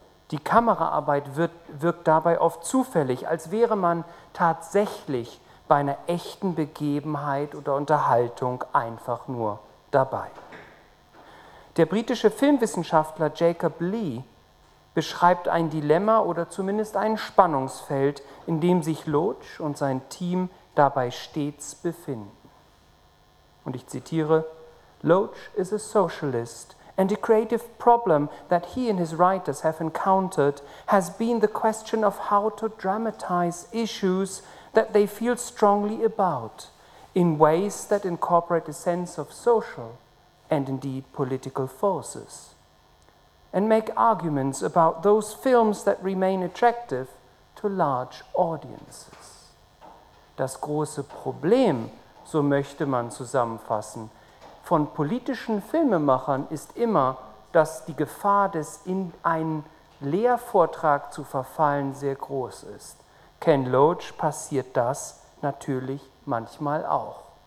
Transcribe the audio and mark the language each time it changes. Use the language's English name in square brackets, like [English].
[German] Die Kameraarbeit wirkt dabei oft zufällig, als wäre man tatsächlich bei einer echten Begebenheit oder Unterhaltung einfach nur dabei. Der britische Filmwissenschaftler Jacob Lee beschreibt ein Dilemma oder zumindest ein Spannungsfeld, in dem sich Loach und sein Team dabei stets befinden. Und ich zitiere: [English] Loach is a socialist, and a creative problem that he and his writers have encountered has been the question of how to dramatize issues that they feel strongly about, in ways that incorporate a sense of social and indeed political forces, and make arguments about those films that remain attractive to large audiences. [German] Das große Problem, so möchte man zusammenfassen, von politischen Filmemachern ist immer, dass die Gefahr des in einen Lehrvortrag zu verfallen sehr groß ist. Ken Loach passiert das natürlich manchmal auch.